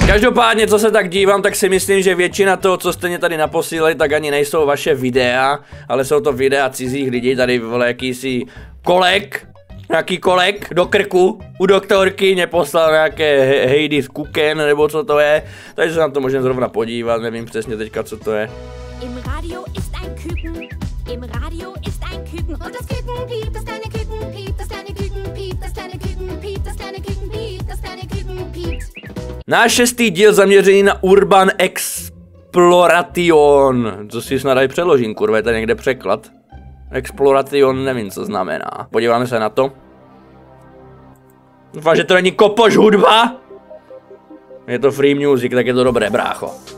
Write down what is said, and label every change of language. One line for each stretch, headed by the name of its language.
Czech: Každopádně, co se tak dívám, tak si myslím, že většina toho, co jste mě tady naposílali, tak ani nejsou vaše videa, ale jsou to videa cizích lidí, tady vole jakýsi kolek, nějaký kolek do krku u doktorky mě poslal nějaké Heidi Kuken, nebo co to je, takže se na to můžeme zrovna podívat, nevím přesně teďka, co to je.
German: Im Radio ist ein Küken, im Radio ist ein Küken, und das Küken piept, das kleine Küken piept, das kleine Küken piept, das kleine Küken piept, das kleine Küken piept, das kleine Küken piept.
Czech: Náš šestý díl zaměřený na Urban Exploration. Co si snad aj přeložím, kurva, je to někde překlad? Exploration, nevím, co znamená. Podíváme se na to. Doufám, že to není kopoš hudba. Je to
English: free music,
Czech: tak je to dobré, brácho.